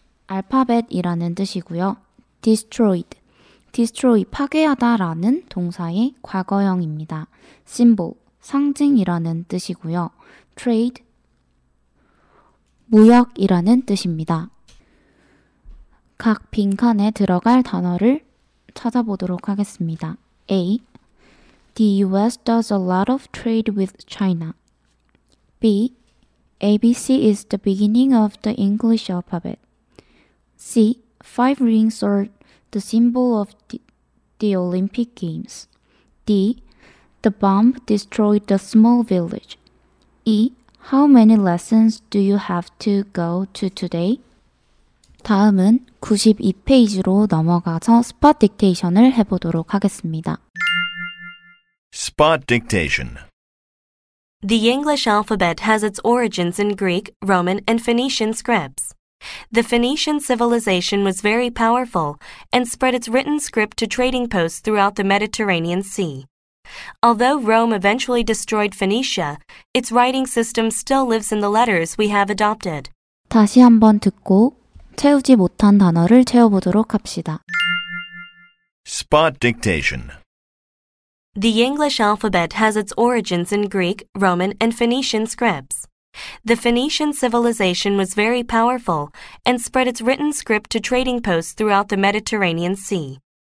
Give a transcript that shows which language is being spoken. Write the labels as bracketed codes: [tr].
[ko] alphabet이라는 뜻이고요. destroy, 파괴하다 라는 동사의 과거형입니다. symbol, 상징이라는 뜻이고요. trade, 무역이라는 뜻입니다. 각 빈칸에 들어갈 단어를 찾아보도록 하겠습니다. [en] A. The US does a lot of trade with China. B. ABC is the beginning of the English alphabet. C. Five rings are the symbol of the Olympic Games. D. The bomb destroyed the small village. E. How many lessons do you have to go to today? [ko] 다음은 92페이지로 넘어가서 스팟 딕테이션을 해보도록 하겠습니다. [en] Spot dictation. The English alphabet has its origins in Greek, Roman, and Phoenician scripts. The Phoenician civilization was very powerful and spread its written script to trading posts throughout the Mediterranean Sea. Although Rome eventually destroyed Phoenicia, its writing system still lives in the letters we have adopted. [ko] 다시 한번 듣고 채우지 못한 단어를 채워보도록 합시다. [en] Spot dictation. The English alphabet has its origins in Greek, Roman, and Phoenician scripts. The Phoenician civilization was very powerful and spread its written script to trading posts throughout the Mediterranean Sea.